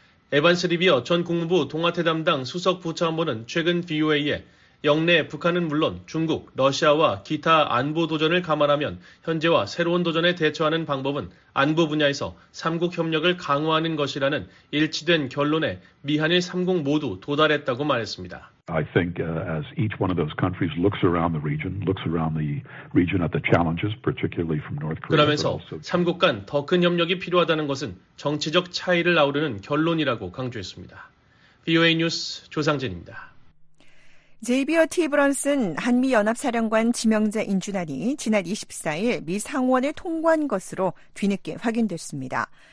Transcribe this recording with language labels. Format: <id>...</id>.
<ko>에반스 리비어 전 국무부 동아태 담당 수석 부차관보는 최근 VOA에 영내 북한은 물론 중국, 러시아와 기타 안보 도전을 감안하면 현재와 새로운 도전에 대처하는 방법은 안보 분야에서 3국 협력을 강화하는 것이라는 일치된 결론에 미한일 3국 모두 도달했다고 말했습니다.</ko> <en>I think as each one of those countries looks around the region at the challenges, particularly from North Korea.</en> <ko>그러면서 3국 간 더 큰 협력이 필요하다는 것은 정치적 차이를 아우르는 결론이라고 강조했습니다. VOA 뉴스 조상진입니다. 제이비어 티브런슨 한미연합사령관 지명자 인준안이 지난 24일 미 상원을 통과한 것으로 뒤늦게 확인됐습니다.</ko>